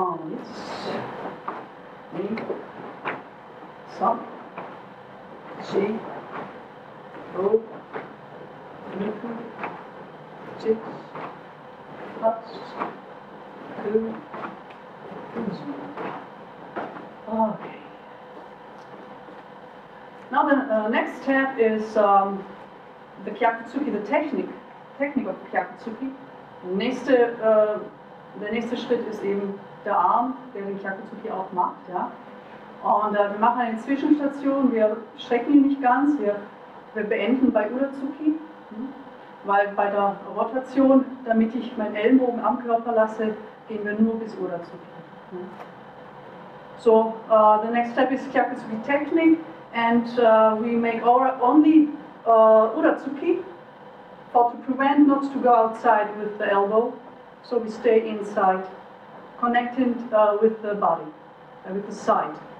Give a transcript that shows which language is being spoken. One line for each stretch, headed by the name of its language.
English: Yes. Me. Sam. Chi. Ho. Miku. Chips. Pats. Ku. Kuzu. Okay. Now the next step is the Kyakutsuki, the technique of Kyakutsuki,
German: Der nächste Schritt ist eben der Arm, der den Kyakuzuki auch macht. Ja? Und wir machen eine Zwischenstation, wir strecken ihn nicht ganz, wir beenden bei Urazuki, weil bei der Rotation, damit ich meinen Ellenbogen am Körper lasse, gehen wir nur bis Urazuki.
English: So, the next step is Kyakuzuki Technique, and we make only Urazuki, but to prevent not to go outside with the elbow, so we stay inside, connected with the body, with the side.